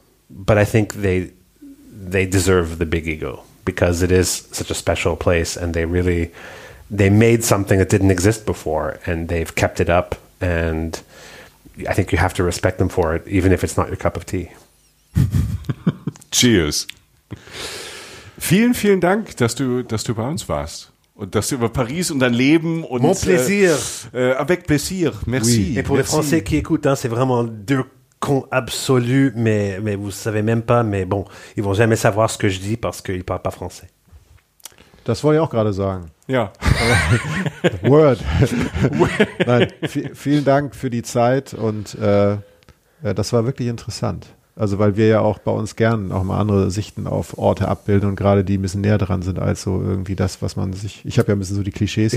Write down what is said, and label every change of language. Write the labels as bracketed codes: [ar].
[en] But I think they deserve the big ego because it is such a special place. And they made something that didn't exist before and they've kept it up. And I think you have to respect them for it, even if it's not your cup of tea. Cheers. [de] Vielen, vielen Dank, dass du bei uns warst. Und dass du über Paris und dein Leben und... [fr] Mon plaisir. Avec plaisir. Merci. Oui. Et pour merci. Les Français qui écoutent, hein, c'est vraiment deux cons absolus, mais vous savez même pas, mais bon, ils vont jamais savoir ce que je dis parce qu'ils parlent pas français. [de] Das wollte ich auch gerade sagen. Ja. [en] Word. [de] Nein, vielen Dank für die Zeit und das war wirklich interessant. Also weil wir ja auch bei uns gern auch mal andere Sichten auf Orte abbilden und gerade die ein bisschen näher dran sind als so irgendwie das, was man sich, ich habe ja ein bisschen so die Klischees.